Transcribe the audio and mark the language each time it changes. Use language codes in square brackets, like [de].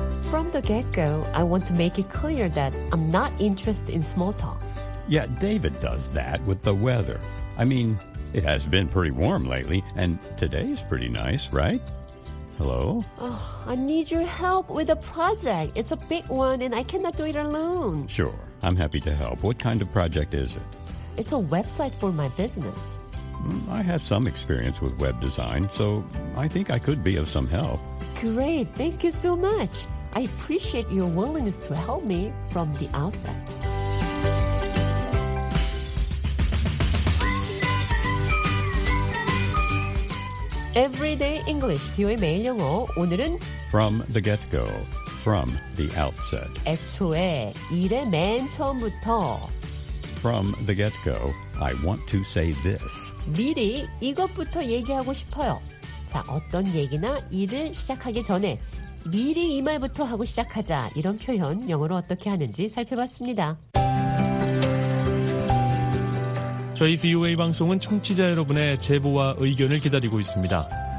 [en] From the get-go, I want to make it clear that I'm not interested in small talk. Yeah, David does that with the weather. I mean, it has been pretty warm lately, and today is pretty nice, right? Hello? Oh, I need your help with a project. It's a big one, and I cannot do it alone. Sure. I'm happy to help. What kind of project is it? It's a website for my business. I have some experience with web design, so I think I could be of some help. Great. Thank you so much. I appreciate your willingness to help me from the outset. [ko] Everyday English, 비오의 매일 영어, 오늘은 [en] From the get-go. From the outset. [ko] 애초에 일의 맨 처음부터. [en] From the get-go, I want to say this. [ko] 미리 이것부터 얘기하고 싶어요. 자, 어떤 얘기나 일을 시작하기 전에 미리 이 말부터 하고 시작하자. 이런 표현 영어로 어떻게 하는지 살펴봤습니다. 저희 VOA 방송은 청취자 여러분의 제보와 의견을 기다리고 있습니다.